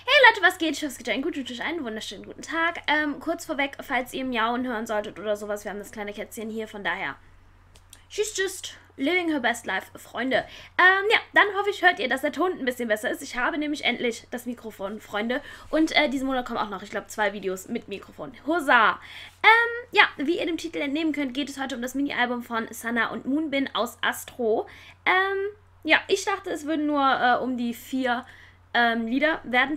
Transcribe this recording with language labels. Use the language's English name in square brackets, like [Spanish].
[German] Leute, was geht? Ich hoffe, es geht euch gut. Wünsche euch einen wunderschönen guten Tag. Kurz vorweg, falls ihr Miauen hören solltet oder sowas, wir haben das kleine Kätzchen hier, von daher. [English] She's just living her best life, Freunde. [German] Ja, dann hoffe ich, hört ihr, dass der Ton ein bisschen besser ist. Ich habe nämlich endlich das Mikrofon, Freunde. Und diesen Monat kommen auch noch, ich glaube, 2 Videos mit Mikrofon. Hurra! Ja, wie ihr dem Titel entnehmen könnt, geht es heute um das Mini-Album von Sana und Moonbin aus Astro. Ja, ich dachte, es würden nur um die 4 Lieder werden.